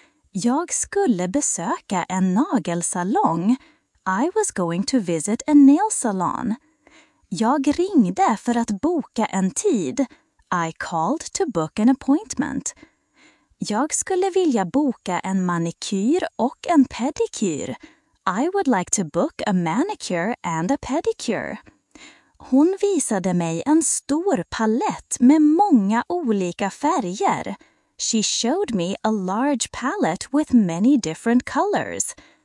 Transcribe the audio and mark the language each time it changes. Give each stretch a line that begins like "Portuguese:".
Swedish: Jag skulle besöka en nagelsalong.
English: I was going to visit a nail salon. Jag ringde för att boka en tid.
Swedish: I called to book an appointment. Jag skulle vilja boka en manikyr och en pedikyr.
English: I would like to book a manicure and a pedicure.
Swedish: Hon visade mig en stor palett med många olika färger.
English: She showed me a large palette with many different colors.